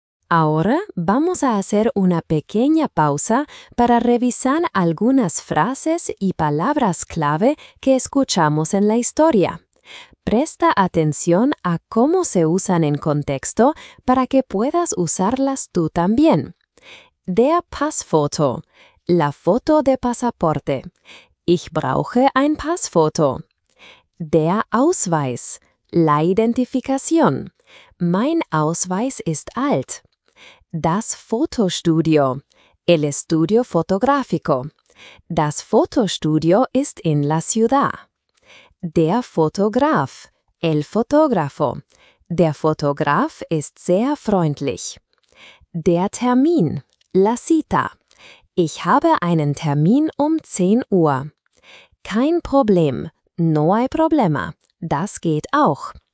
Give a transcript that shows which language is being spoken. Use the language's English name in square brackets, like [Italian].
[Spanish] Ahora vamos a hacer una pequeña pausa para revisar algunas frases y palabras clave que escuchamos en la historia. Presta atención a cómo se usan en contexto para que puedas usarlas tú también. [German] Der Passfoto, [Spanish] la foto de pasaporte. [German] Ich brauche ein Passfoto. Der Ausweis, [Spanish] la Identifikation. [German] Mein Ausweis ist alt. Das Fotostudio, [Spanish] el estudio fotográfico. [German] Das Fotostudio ist in [Spanish] la ciudad. [German] Der Fotograf, [Spanish] el fotógrafo. [German] Der Fotograf ist sehr freundlich. Der Termin, [Spanish] la cita. [German] Ich habe einen Termin um 10 Uhr. Kein Problem, [Spanish] no hay problema, [German] das geht auch.